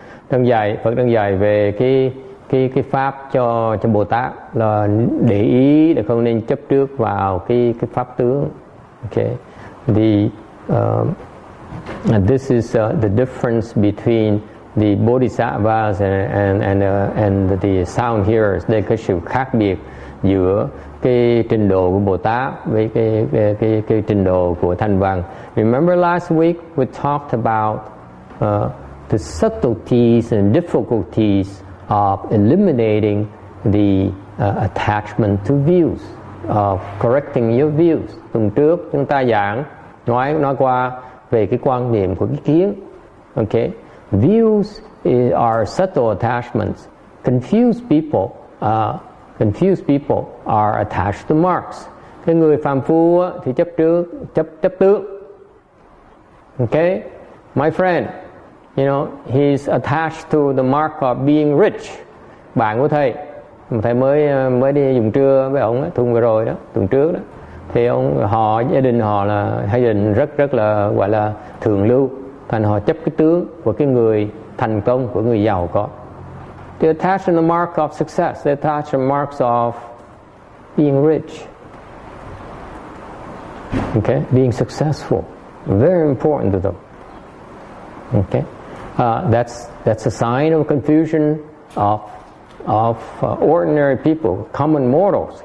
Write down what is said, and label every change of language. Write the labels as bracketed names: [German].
[Vietnamese] Đang dạy, Phật đang dạy về cái pháp cho Bồ Tát là để ý là không nên chấp trước vào cái pháp tướng. Okay. [English] This is the difference between the Bodhisattvas and the sound hearers. [Vietnamese] Đây là cái sự khác biệt giữa cái trình độ của Bồ Tát với cái trình độ của Thanh Văn. [English] Remember last week we talked about the subtleties and difficulties of eliminating the attachment to views, of correcting your views. [Vietnamese] Tuần trước chúng ta giảng nói qua về cái quan điểm của cái kiến. [English] Okay, views are subtle attachments. Confused people are attached to marks. [Vietnamese] Cái người phàm phu thì chấp tướng. [English] Okay, my friend, you know, he's attached to the mark of being rich. [Vietnamese] Bạn của thầy, thầy mới đi dùng trưa với ông ấy, tuần vừa rồi đó, tuần trước đó. Thì ông họ gia đình họ là gia đình rất rất là gọi là thượng lưu, thành họ chấp cái tướng của cái người thành công, của người giàu có. [English] They attach to the mark of success. They attach to the marks of being rich. Okay, being successful, very important to them. Okay, that's a sign of confusion of ordinary people, common mortals.